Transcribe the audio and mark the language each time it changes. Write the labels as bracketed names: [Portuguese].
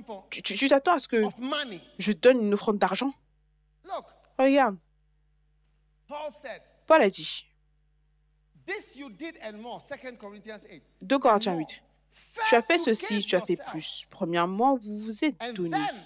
[French] Tu t'attends à ce que je donne une offrande d'argent? Regarde, Paul a dit, [English] this you did and more, 2 Corinthians 8. [French] 2 Corinthiens 8. Tu as fait ceci, tu as fait plus. Premièrement, vous vous êtes donné.